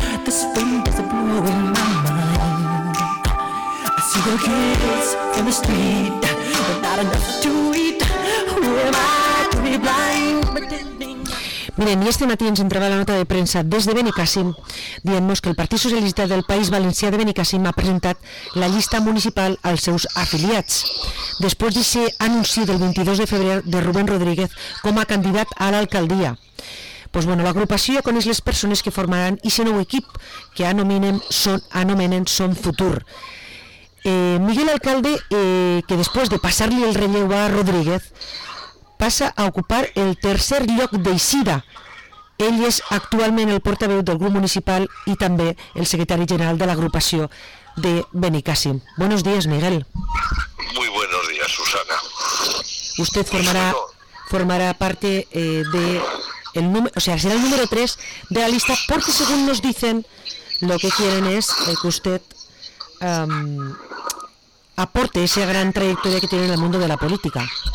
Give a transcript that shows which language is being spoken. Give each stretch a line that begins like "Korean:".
English: The spring is blowing my mind. I see the kids in the street, but not enough to eat. Who am I to be blind pretending?
Catalan: Miren, y este matí ens entrava la nota de premsa des de Benicàssim, dient-nos que el Partit Socialista del País Valencià de Benicàssim ha presentat la llista municipal als seus afiliats. Després de ser anunciat el 22 de febrer de Rubén Rodríguez com a candidat a l'alcaldia.
Spanish: Pues bueno,
Catalan: l'agrupació ja coneix les persones que formaran i ese nou equip que anomenen Som Futur. Miguel Alcalde, que després de passar-li el relleu a Rodríguez, passa a ocupar el tercer lloc d'Eixida. Ell és actualment el portaveu del grup municipal i també el secretari general de l'agrupació de Benicàssim.
Spanish: Buenos días, Miguel. Muy buenos días, Susana. Usted formará parte de el número, o sea, será el número 3 de la lista, porque según nos dicen, lo que quieren es que usted aporte esa gran trayectoria que tiene en el mundo de la política.